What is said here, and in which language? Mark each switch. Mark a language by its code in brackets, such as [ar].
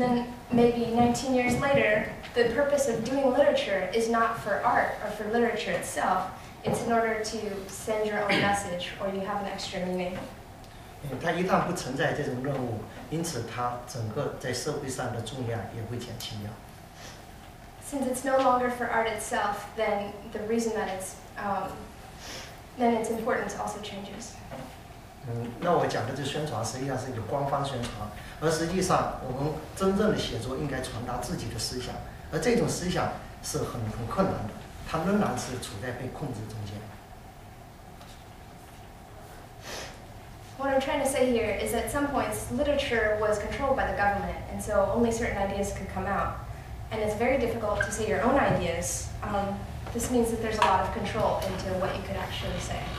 [en] then maybe 19 years later, the purpose of doing literature is not for art or for literature itself. It's in order to send your own message, or you have an extra meaning. [zh] 它一旦不存在这种任务，因此它整个在社会上的重量也会减轻掉。 [en] Since it's no longer for art itself, then the reason that it's then its importance also changes. [zh] 那我讲的这宣传实际上是有官方宣传，而实际上我们真正的写作应该传达自己的思想，而这种思想是很困难的，它仍然是处在被控制中间。 [en] What I'm trying to say here is at some points, literature was controlled by the government, and so only certain ideas could come out. And it's very difficult to say your own ideas. This means that there's a lot of control into what you could actually say.